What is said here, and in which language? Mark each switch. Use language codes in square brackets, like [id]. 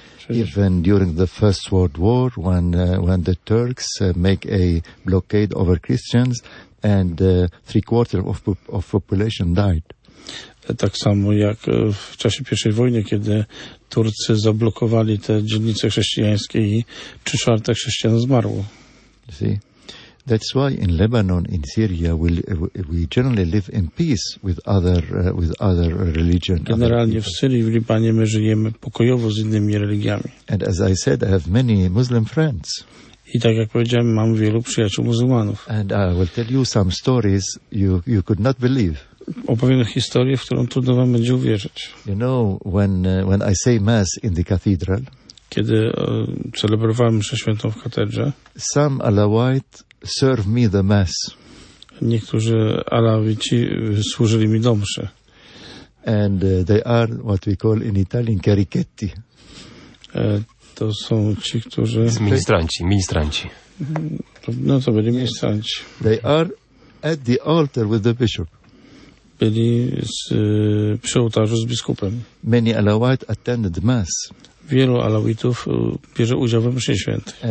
[en] Even during the First World War, when the Turks make a blockade over Christians, and three quarters of population died. [pl] Tak samo jak w czasie pierwszej wojny, kiedy Turcy zablokowali te dzielnice chrześcijańskie i 3/4 chrześcijan zmarło. [en] See? That's why in Lebanon, in Syria, we generally live in peace with other religions. [pl] Generalnie w Syrii, w Libanie, my żyjemy pokojowo z innymi religiami. [en] And as I said, I have many Muslim friends. [pl] I tak jak powiedziałem, mam wielu przyjaciół muzułmanów. [en] And I will tell you some stories you could not believe. [pl] Opowiem historię, w którą trudno wam będzie uwierzyć. [en] You know, when I say mass in the cathedral, [pl] kiedy celebrowałem mszę świętą w katedrze, [en] some Alawite serve me the mass. [pl] Niektórzy Alawici służyli mi do mszy. [en] And they are what we call in Italian carichetti. [pl] To są ci, którzy... Ministranci. No to byli ministranci. [en] They are at the altar with the bishop. [pl] Byli przy ołtarzu z biskupem. [en] Many Alawite attended mass. [pl] Wielu Alawitów bierze udział w mszy świętej.